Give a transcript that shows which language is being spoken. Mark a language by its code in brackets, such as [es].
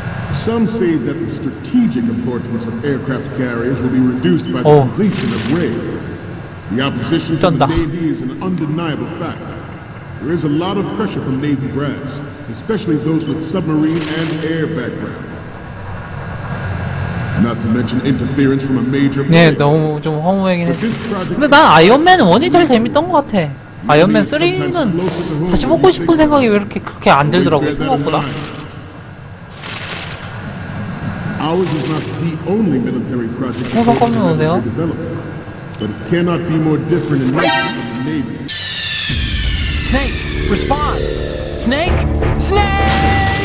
[en] Some say that the strategic importance of aircraft carriers will be reduced by the completion of RAID. The opposition from the Navy is an undeniable fact. There is a lot of pressure from Navy brass, especially those with submarine and air background. Not to mention interference from a major player. [ko] 네, 너무 좀 허무하긴 해. 근데 난 아이언맨 1이 제일 재밌던 것 같아. 아이언맨 3는 다시 보고 싶은 생각이 왜 이렇게 그렇게 안 들더라고 생각보다. [en] Ours is not the only military project under development, but it cannot be more different in nature than the Navy. Snake, respond! Snake! Snake!